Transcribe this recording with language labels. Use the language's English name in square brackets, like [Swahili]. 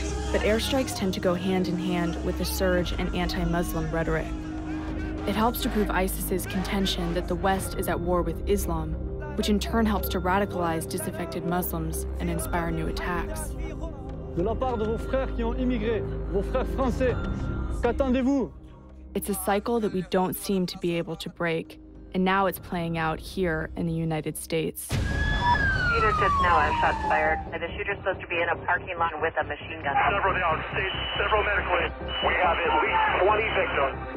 [English] But airstrikes tend to go hand in hand with a surge in anti-Muslim rhetoric. It helps to prove ISIS's contention that the West is at war with Islam, which in turn helps to radicalize disaffected Muslims and inspire new attacks. [French] De la part de vos frères qui ont immigré, vos frères français, qu'attendez-vous? [English] It's a cycle that we don't seem to be able to break, and now it's playing out here in the United States. Shooters just now have shots fired. The shooter's supposed to be in a parking lot with a machine gun. Several now in state, several medically. We have at least 20 victims.